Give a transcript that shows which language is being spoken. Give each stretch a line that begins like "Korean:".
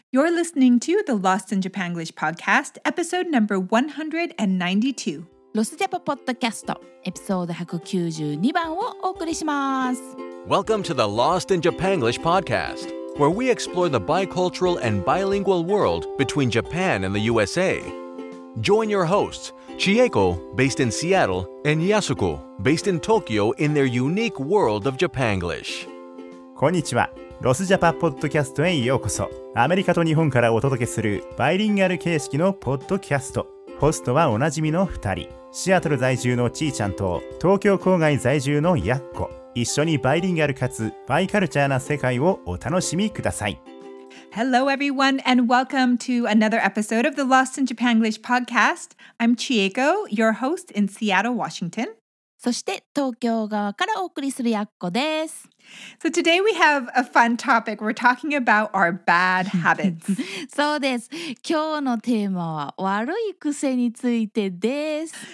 English: You're listening to the Lost in Japanglish podcast, episode number 192.
Japanese: ロスジャパポッドキャスト、エピソード192番をお送りします。
English: Welcome to the Lost in Japanglish podcast, where we explore the bicultural and bilingual world between Japan and the USA. Join your hosts, Chieko, based in Seattle, and Yasuko, based in Tokyo, in their unique world of Japanglish.
Japanese: こんにちは。ロスジャパポッドキャストへようこそ。アメリカと日本からお届けするバイリンガル形式のポッドキャスト。ホストはおなじみの2人、シアトル在住のちーちゃんと東京郊外在住のやっこ。一緒にバイリンガルかつバイカルチャーな世界をお楽しみください。
English: Hello everyone and welcome to another episode of the Lost in Japanglish podcast. I'm Chieko, your host in Seattle, Washington.
Japanese: そして東京側からお送りするやっこです。
English: So today we have a fun topic. We're talking about our bad habits.
Japanese: そうです。今日のテーマは悪い癖についてです。